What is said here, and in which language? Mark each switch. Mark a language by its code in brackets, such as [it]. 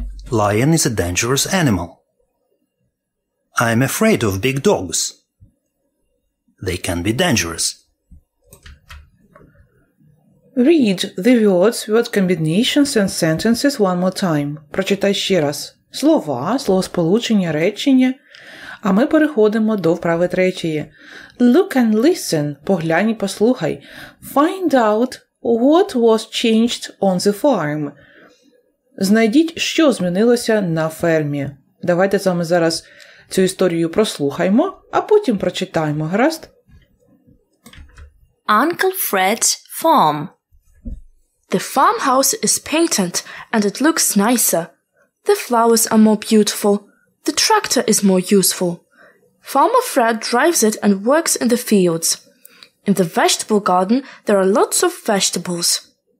[en] Lion is a dangerous animal. I am afraid of big dogs. They can be dangerous. Read the words, word combinations and sentences one more time. [uk] Прочитай ще раз. Слова, словосполучення, речення. А ми переходимо до вправи третьої. [en] Look and listen. [uk] Поглянь і послухай. [en] Find out what was changed on the farm. [uk] Знайдіть, що змінилося на фермі. Давайте з вами зараз цю історію прослухаймо, а потім прочитаємо, гаразд? [en] Uncle Fred's farm. The farmhouse is patent and it looks nicer. The flowers are more beautiful. The tractor is more useful. Farmer Fred drives it and works in the fields. In the vegetable garden there are lots of vegetables.